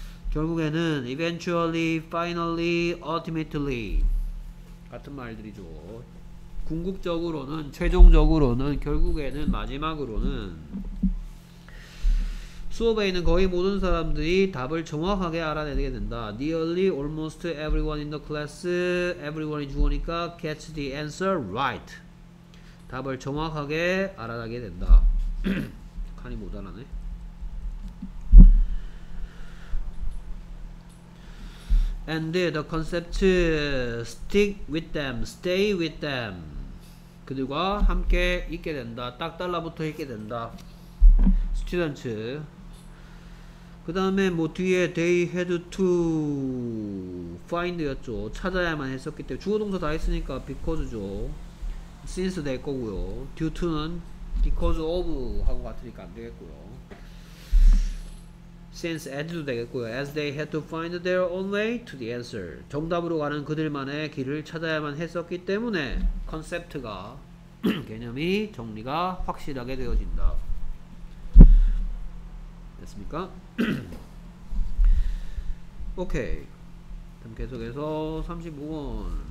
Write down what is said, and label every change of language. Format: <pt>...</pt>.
<ko>결국에는</ko> <en>eventually, finally, ultimately</en> <ko>같은 말들이죠. 궁극적으로는 최종적으로는 결국에는 마지막으로는 수업에 있는 거의 모든 사람들이 답을 정확하게 알아내게 된다.</ko> <en>Nearly almost everyone in the class everyone이</en> <ko>주어니까</ko> <en>gets the answer right.</en> <ko>답을 정확하게 알아내게 된다. 칸이 못 알아내. 네.</ko> <en>And the concept stick with them, stay with them.</en> <ko>그들과 함께 있게 된다. 딱 달라붙어 있게 된다. Students. 그 다음에 뭐 뒤에 they had to find였죠. 찾아야만 했었기 때문에 주어 동사 다 했으니까 because죠. Since 될 거고요. Due to는 because of 하고 같으니까 안 되겠고요. Since as도 되겠고요.</ko> <en>As they had to find their own way to the answer.</en> <ko>정답으로 가는 그들만의 길을 찾아야만 했었기 때문에 concept가 개념이 정리가 확실하게 되어진다. 됐습니까? 오케이. 그럼 계속해서 35번.</ko>